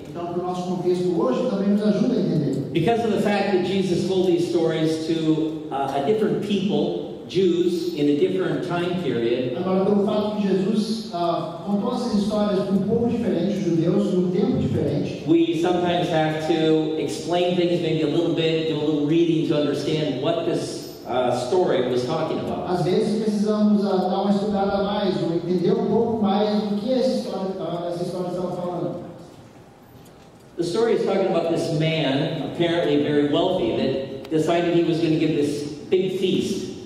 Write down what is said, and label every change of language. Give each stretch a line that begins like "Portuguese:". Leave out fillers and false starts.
English: Because of the fact that Jesus told these stories to a different people, Jews, in a different time period.
Portuguese: Agora, pelo fato que Jesus contou essas histórias para povo diferente, judeus, num tempo diferente.
English: We sometimes have to explain things maybe a little bit, do a little reading to understand what this story was talking about.
Portuguese: Às vezes precisamos dar uma estudada a mais, entender pouco mais do que essa história estava falando.
English: The story is talking about this man, apparently very wealthy, that decided he was going to give this big feast.